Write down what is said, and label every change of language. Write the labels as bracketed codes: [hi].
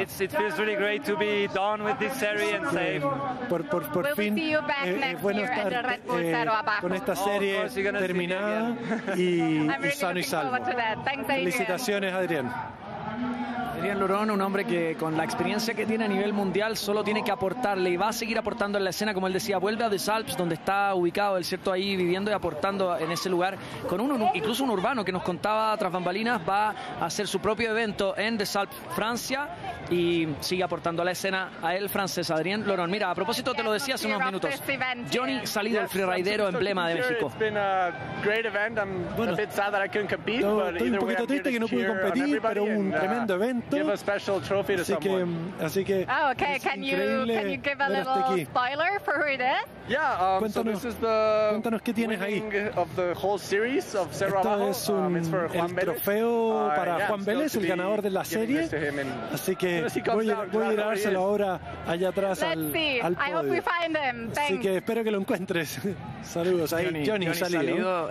[en] It feels really great to be done with this series and safe. [es] Por fin, bueno estar con esta serie terminada y sano y salvo. Felicitaciones, Adrián. Adrián Lorón, un hombre que con la experiencia que tiene a nivel mundial solo tiene que aportarle y va a seguir aportando en la escena, como él decía, vuelve a Des Alpes, donde está ubicado, el cierto, ahí viviendo y aportando en ese lugar, con incluso un urbano que nos contaba tras bambalinas, va a hacer su propio evento en Des Alpes, Francia, y sigue aportando a la escena a él, francés, Adrián Lorón. Mira, a propósito, te lo decía hace unos minutos, Johnny Salido, el freeridero emblema de México. Bueno, estoy un poquito triste que no pude competir, pero un tremendo evento. [en] Give a special trophy to someone. Oh, okay. Can you give a little spoiler for who it is? Yeah. [es] Cuéntanos qué tienes ahí. [en] Of the whole series of Cerro Abajo. [es] Esto es el trofeo para Juan Vélez, el ganador de la serie. Así que voy a dárselo ahora allá atrás al podio. [en] I hope we find him. [es] Así que espero que lo encuentres. Saludos ahí, Johnny Salido,